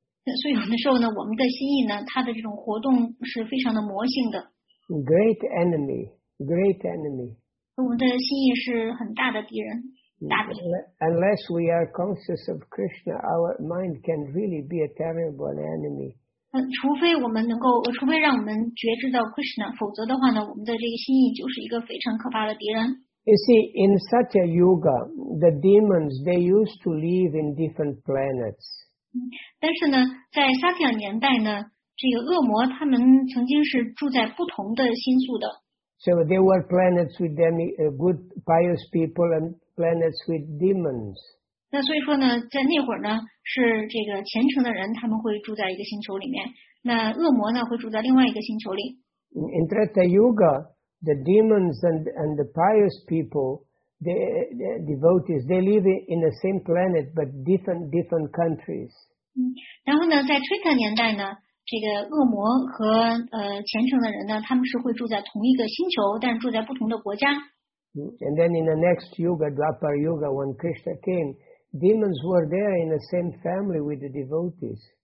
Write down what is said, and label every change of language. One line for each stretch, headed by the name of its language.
Chinese: 所以有的时候呢，我们的心意呢，它的这种活动是非常的魔性的。
English: Great enemy.
Chinese: 我们的心意是很大的敌人，大敌。
English: Unless we are conscious of Krishna, our mind can really be a terrible enemy.
Chinese: 除非我们能够，除非让我们觉知到 Krishna, 否则的话呢，我们的这个心意就是一个非常可怕的敌人。
English: You see, in such a yuga, the demons, they used to live in different planets.
Chinese: 但是呢，在萨提亚年代呢，这个恶魔他们曾经是住在不同的星宿的。
English: So there were planets with good pious people and planets with demons.
Chinese: 那所以说呢，在那会儿呢，是这个虔诚的人他们会住在一个星球里面，那恶魔呢会住在另外一个星球里。
English: In Treta Yuga,the demons and the pious people, the devotees, they live in the same planet but different countries.
Chinese: 然后呢，在推特年代呢，这个恶魔和虔诚的人呢，他们是会住在同一个星球，但是住在不同的国家。
English: And then in the next yuga, Dwapara Yuga, when Krishna came, demons were there in the same family with the devotees.